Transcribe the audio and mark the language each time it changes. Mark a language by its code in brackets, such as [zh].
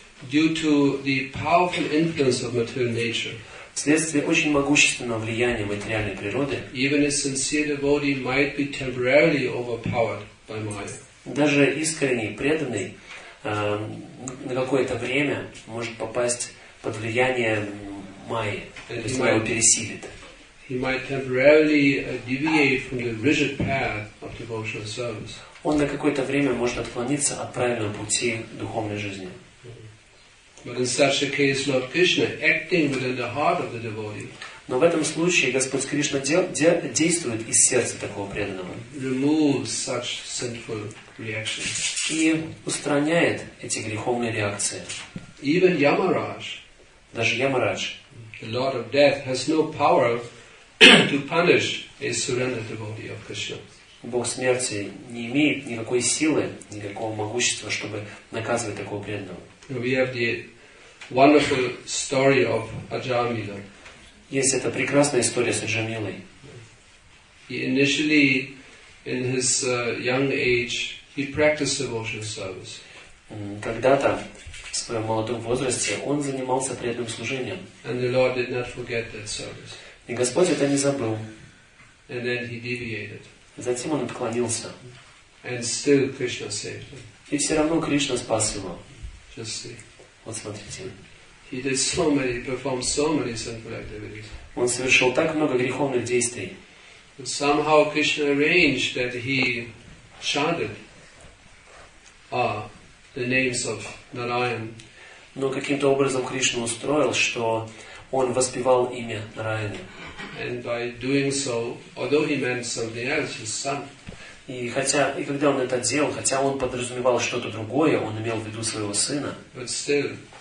[en] Due to the powerful influence of material nature. [ru] Вследствие очень могущественного влияния материальной природы, [en] even a sincere devotee might be temporarily overpowered by Maya. [ru] Даже искренний преданный на какое-то время может попасть под влияние Майи, то есть его пересилит. [en] He might temporarily deviate from the rigid path of devotional service. [ru] Он на какое-то время может отклониться от правильного пути духовной жизни. [en] But in such a case, Lord Krishna, acting within the heart of the devotee. [ru] Но в этом случае Господь Кришна действует из сердца такого преданного. [en] Removes such sinful reactions. [ru] И устраняет эти греховные реакции. [en] Even Yamaraj. [ru] Даже Ямарадж. [en] The Lord of Death has no power to punish a surrendered devotee of Krishna. [ru] Бог смерти не имеет никакой силы, никакого могущества, чтобы наказывать такого преданного. [en] We have the wonderful story of Ajamila. [ru] Yes, это прекрасная история с Аджамилой. [en] He initially, in his young age, he practiced devotional service. [ru] Когда-то в своем молодом возрасте он занимался преданным служением. [en] And the Lord did not forget that service. [ru] И Господь это не забыл. [en] And then he deviated. [ru] Затем он отклонился. [en] And still Krishna saved him. [ru] И все равно Кришна спас его. [en] Just see. [ru] Вот смотрите. [en] He did so many, performed so many sinful activities. [ru] Он совершил так много греховных действий. [en] But somehow Krishna arranged that he chanted the names of Narayan. [ru] Но каким-то образом Кришна устроил, что он воспевал имя Нараяны. [en] And by doing so, although he meant something else, his son. [ru] И когда он это делал, хотя он подразумевал что-то другое, он имел в виду своего сына. [en] But still,